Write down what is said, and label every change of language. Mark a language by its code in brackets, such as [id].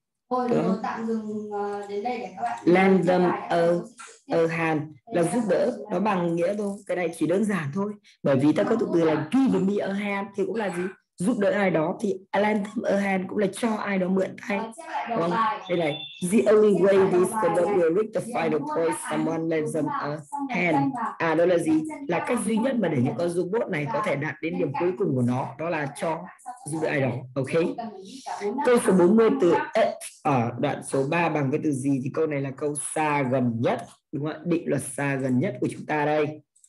[vi] Thôi, tạm dừng đến đây để các bạn. [en] Lend them a hand [vi] là giúp đỡ, nó bằng nghĩa thôi. Cái này chỉ đơn giản thôi. Bởi vì ta có tục từ là [en] give me a hand [vi] thì cũng là gì? Giúp đỡ ai đó thì [en] lend them a hand [vi] cũng là cho ai đó mượn tay. Vâng, đây này. [en] The only way this could not be reached the final point, someone lend them a hand. [vi] À, đó là gì? Là cách duy nhất mà để những con robot này có thể đạt đến điểm cuối cùng của nó, đó là cho giúp đỡ ai đó. Ok. Câu số 40 từ ở đoạn số 3 bằng cái từ gì? Thì câu này là câu xa gần nhất, đúng không? Định luật xa gần nhất của chúng ta đây.